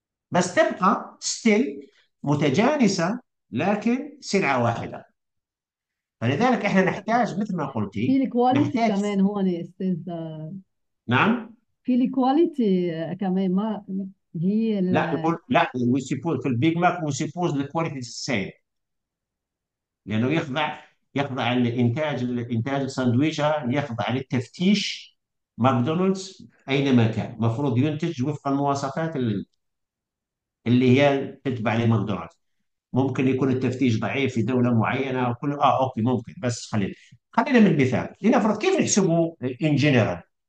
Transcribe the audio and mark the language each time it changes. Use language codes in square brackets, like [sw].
[ar] بس تبقى still متجانسة لكن سلعة واحدة. فلذلك احنا نحتاج مثل ما قلتي، في الكواليتي نحتاج كمان هون يا استاذ، نعم؟ في الكواليتي كمان، ما هي ال لا يقول لا، [en] we suppose [ar] في البيج ماك [en] we suppose the quality is the same. [ar] لأنه يخضع لإنتاج الساندويشة، يخضع للتفتيش ماكدونالدز أينما كان، المفروض ينتج وفق المواصفات اللي هي تتبع لماكدونالدز. ممكن يكون التفتيش ضعيف في دولة معينة او كل اوكي ممكن، بس خلينا من المثال لنفرض كيف نحسبه ان جنرال.